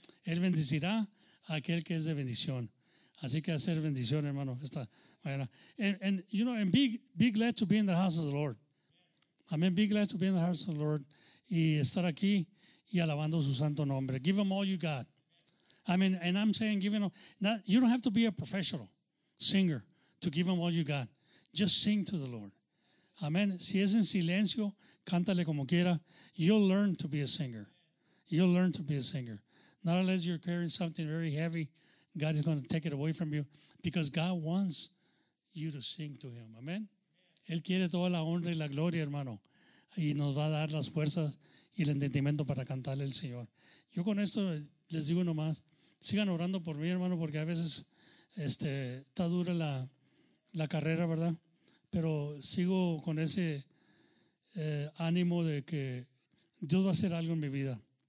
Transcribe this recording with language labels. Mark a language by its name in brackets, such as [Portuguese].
[Spanish] Él bendecirá a aquel que es de bendición. Así que hacer bendición, hermano, esta mañana. [English] And you know, and be glad to be in the house of the Lord. Amén. Be glad to be in the house of the Lord. [Spanish] Y estar aquí y alabando su santo nombre. [English] Give them all you got. I mean, and I'm saying give them all. You don't have to be a professional singer to give them all you got. Just sing to the Lord. Amen. [Spanish] Si es en silencio, cántale como quiera. [English] You'll learn to be a singer. You'll learn to be a singer. Not unless you're carrying something very heavy, God is going to take it away from you because God wants you to sing to him. Amen. [Spanish] Él quiere toda la honra y la gloria, hermano. Y nos va a dar las fuerzas y el entendimiento para cantarle al Señor. Yo con esto les digo nomás, sigan orando por mí, hermano, porque a veces está dura la carrera, ¿verdad? Pero sigo con ese ánimo de que Dios va a hacer algo en mi vida.